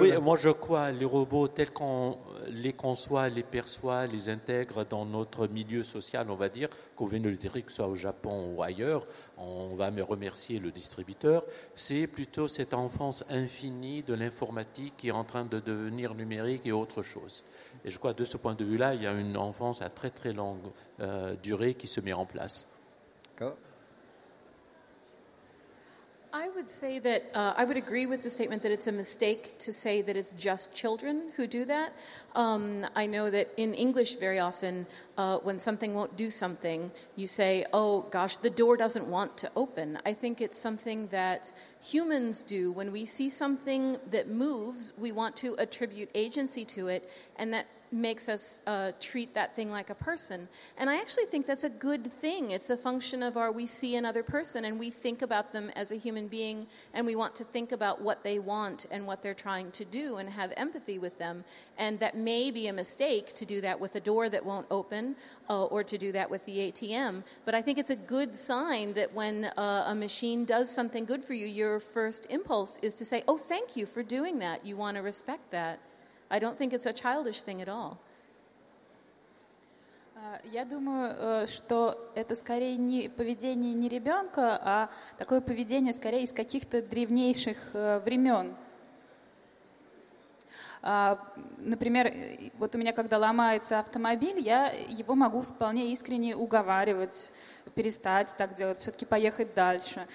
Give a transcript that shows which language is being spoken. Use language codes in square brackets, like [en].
[fr] Oui, moi, je crois les robots tels qu'on les conçoit, les perçoit, les intègre dans notre milieu social, on va dire, qu'on vienne le dire, que ce soit au Japon ou ailleurs, on va me remercier le distributeur. C'est plutôt cette enfance infinie de l'informatique qui est en train de devenir numérique et autre chose. Et je crois, de ce point de vue-là, il y a une enfance à très, très longue durée qui se met en place. D'accord. [en] I would say that I would agree with the statement that it's a mistake to say that it's just children who do that. I know that in English, very often, when something won't do something, you say, oh, gosh, the door doesn't want to open. I think it's something that humans do. When we see something that moves, we want to attribute agency to it, and that makes us treat that thing like a person. And I actually think that's a good thing. It's a function of we see another person and we think about them as a human being and we want to think about what they want and what they're trying to do and have empathy with them. And that may be a mistake to do that with a door that won't open or to do that with the ATM. But I think it's a good sign that when a machine does something good for you, your first impulse is to say, oh, thank you for doing that. You want to respect that. I don't think it's a childish thing at all. [ru] Я думаю, что это скорее не поведение не ребенка, а такое поведение скорее из каких-то древнейших времен. Например, вот у меня когда ломается автомобиль, я его могу вполне искренне уговаривать, перестать так делать, все-таки поехать дальше.